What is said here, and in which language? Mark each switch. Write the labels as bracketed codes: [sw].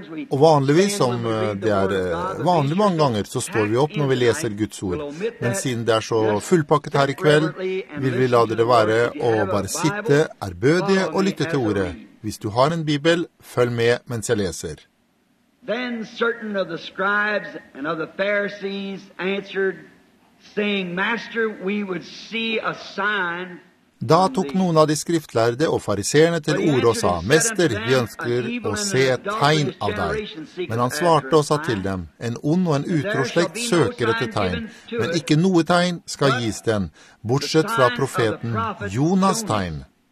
[no] Og vanligvis, som det er vanlig mange ganger, så står vi opp når vi leser Guds ord. Men siden det er så fullpakket her i kveld, vil vi la dere være å bare sitte, ærbødige og lytte til ordet. Hvis du har en bibel, følg med mens jeg leser. [en] Then certain of the scribes and of the Pharisees answered, saying, Master, we would see a sign. [no] Da tok noen av de skriftlærde og fariserne til ordet og sa, Mester, vi ønsker å se et tegn av deg. Men han svarte og sa til dem, En ond og en utro slekt søker etter tegn, men ikke noe tegn skal gis den, bortsett fra profeten Jonas' tegn.